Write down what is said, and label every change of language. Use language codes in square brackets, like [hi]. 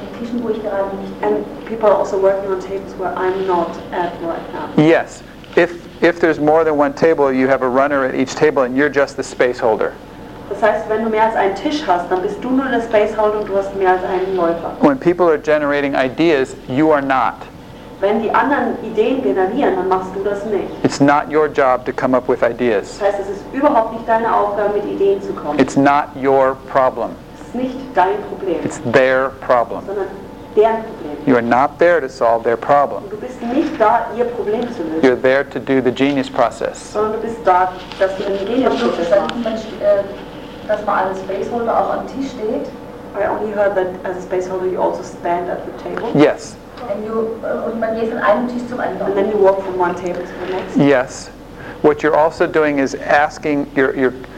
[en] And people are also working on tables where I'm not at right now. Yes. If there's more than one table, you have a runner at each table and you're just the space holder. [de] Das heißt, wenn du mehr als einen Tisch hast, dann bist du nur der Spaceholder und du hast mehr als einen Läufer. [en] When people are generating ideas, you are not. [de] Wenn die anderen Ideen generieren, dann machst du das nicht. [en] It's not your job to come up with ideas. [de] Das heißt, es ist überhaupt nicht deine Aufgabe, mit Ideen zu kommen. [en] It's not your problem. [de] Es ist nicht dein Problem. [en] It's their problem. [de] Sondern deren Problem. [en] You are not there to solve their problem. [de] Und du bist nicht da, ihr Problem zu lösen. [en] You're there to do the genius process. [de] Sondern du bist da, dass du den Genius-Prozess machst. Dass man als Spaceholder auch am Tisch steht. [en] I only heard that as a spaceholder you also stand at the table. Yes. [de] Und man geht von einem Tisch zum anderen. [en] And then you walk from one table to the next. Yes. What you're also doing is asking, you're